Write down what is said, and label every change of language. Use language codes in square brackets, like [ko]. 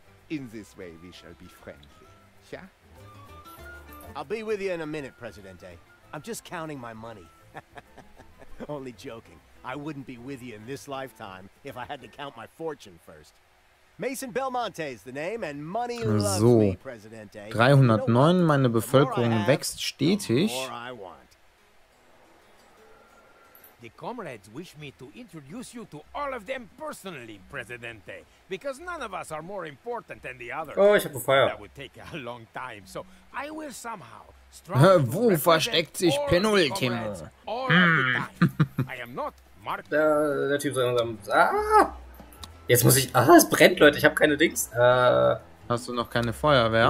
[en] In this way we shall be friendly. [de] Ja? [en] I'll be with you in a minute, Presidente. I'm just counting my money. Only joking. I wouldn't be with you in this lifetime, if I had to count my fortune first. Mason Belmonte is the name, and money loves me, Presidente. [de] 309, meine Bevölkerung wächst stetig. [en] The comrades wish me to introduce you to all of them personally, Presidente, because none of us are more important than the others. [de] Oh, ich hab Feuer. [en] That would take a long time, so I will somehow. [de] Wo versteckt sich Penultimo? [en] I am not Mark. [de] Der Typ soll langsam. Jetzt muss ich. Es brennt, Leute. Ich habe keine Dings. Hast du noch keine Feuerwehr?